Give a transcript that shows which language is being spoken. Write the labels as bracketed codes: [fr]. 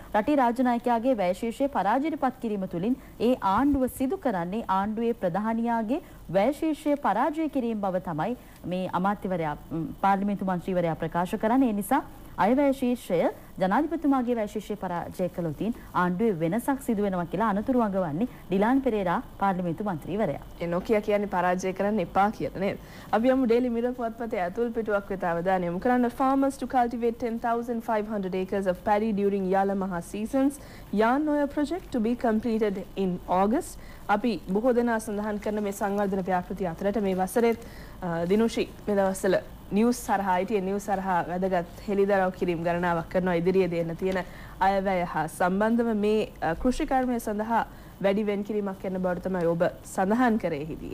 [si] රටේ රාජ්‍ය නායකයාගේ වැයශීර්ෂය පරාජයටපත් කිරීම තුළින් ඒ ආණ්ඩුව සිදු කරන්නේ ආණ්ඩුවේ ප්‍රධානියාගේ වැයශීර්ෂය පරාජය කිරීම බව තමයි මේ අමාත්‍යවරයා පාර්ලිමේන්තු මන්ත්‍රීවරයා ප්‍රකාශ කරන්නේ. ඒ නිසා අයවැයශීර්ෂය ජනාධිපතිතුමාගේ වැයශීර්ෂය පරාජය කළොතින් ආණ්ඩුවේ වෙනසක් සිදු වෙනවා කියලා අනතුරු අඟවන්නේ ඩිලාන් පෙරේරා පාර්ලිමේන්තු මන්ත්‍රීවරයා. ඒ නොකිය කියන්නේ පරාජය කරන්න එපා කියලා නේද? අපි යමු ඩේලි මිරර් පුවත්පතේ ඇතුල් පිටුවක් වෙත. අවධානය යොමු කරන්න. [en] Farmers to cultivate 10,500 acres of paddy during Yala Maha seasons. Yanoya project to be completed in August. [si] අපි බොහෝ දෙනා සඳහන් කරන මේ සංවර්ධන ව්‍යාපෘති අතරට මේ වසරේ දිනුෂි මේ දවස්වල නිවුස් සරහා ITN නිවුස් සරහා වැදගත් හෙළිදරව් කිරීම ගණනාවක් කරනවා. ඉදිරියේ දෙන්න තියෙන අයවැය හා සම්බන්ධව මේ කෘෂිකර්මය සඳහා වැඩි වෙන් කිරීමක් කරන බවට තමයි ඔබ සඳහන් කරේ හිදී.